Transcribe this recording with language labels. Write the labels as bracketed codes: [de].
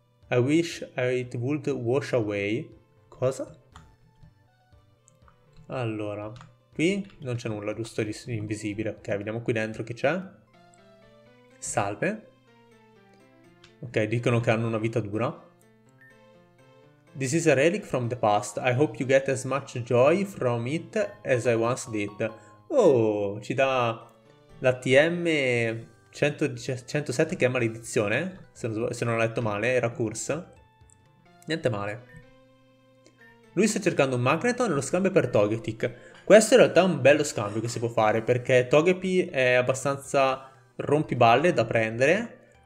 [en] I wish it would wash away. [it] Cosa? Allora, qui non c'è nulla, giusto di invisibile. Ok, vediamo qui dentro che c'è. Salve. Ok, dicono che hanno una vita dura. [en] This is a relic from the past. I hope you get as much joy from it as I once did. [it] Oh, ci dà la TM 107 che è maledizione. Se non ho letto male, era curse. Niente male. Lui sta cercando un Magneton e lo scambia per Togetic. Questo in realtà è un bello scambio che si può fare perché Togepi è abbastanza rompiballe da prendere.